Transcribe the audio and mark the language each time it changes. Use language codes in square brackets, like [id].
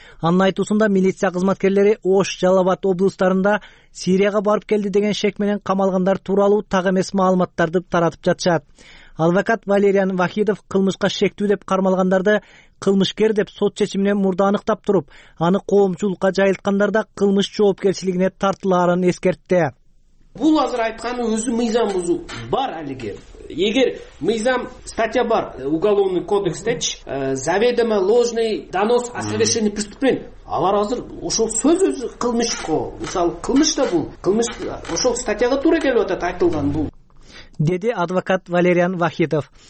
[ky] Анын айтуусунда милиция кызматкерлери Ош, Жалабат облустарында Сирияга барып келди деген шек менен камалгандар тууралуу так эмес маалыматтарды таратып жатышат. Адвокат Валериан Вахидов кылмышка шектүү деп кармалгандарды кылмышкер деп сот чечимине мурда аныктап туруп, аны коомчулукка жайылткандарда кылмыш жоопкерчилигине тартылаарын эскертти. Бул азыр айтканы өзү мыйзам бузуу бар алиге. Эгер мыйзам статья бар [ru] уголовный кодекстечи заведомо ложный донос о совершении преступления. [ky] Алар азыр ошол сөз өзү кылмыш го. Мисалы кылмыш да бул. Кылмыш ошол статьяга туура келип атат айтылган бул. Деди адвокат Валериан Вахитов.